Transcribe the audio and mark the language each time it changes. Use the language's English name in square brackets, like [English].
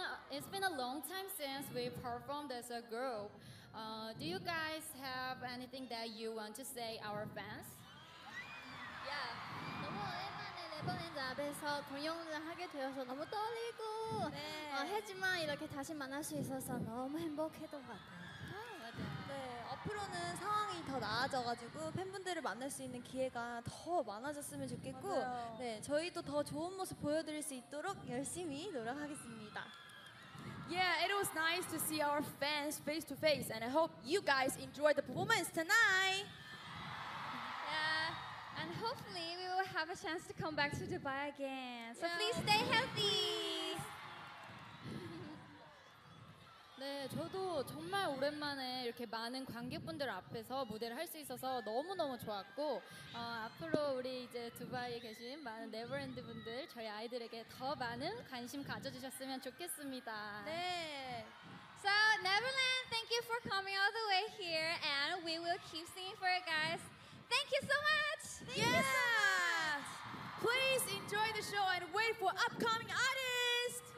[English] It's been a long time since we performed as a group. Do you guys have anything that you want to say our fans? Yeah. [Korean] 너무 오랜만에 네버랜드 앞에서 공연을 하게 되어서 너무 떨리고 하지만 이렇게 다시 만날 수 있어서 너무 행복했던 것 같아요. 네, 앞으로는 상황이 더 나아져가지고 팬분들을 만날 수 있는 기회가 더 많아졌으면 좋겠고 맞아요. 네, 저희도 더 좋은 모습 보여드릴 수 있도록 열심히 노력하겠습니다. [English] Yeah, it was nice to see our fans face to face and I hope you guys enjoy the performance tonight! Yeah, and hopefully we will have a chance to come back to Dubai again. So yeah. please stay healthy! [Korean] 네, 저도 정말 오랜만에 이렇게 많은 관객분들 앞에서 무대를 할 수 있어서 너무너무 좋았고 앞으로 우리 이제 두바이에 계신 많은 네버랜드 분들 저희 아이들에게 더 많은 관심 가져주셨으면 좋겠습니다. 네. [English] So, Neverland, thank you for coming all the way here and we will keep singing for you guys. Thank you so much! Thank you so much! Please enjoy the show and wait for upcoming artists!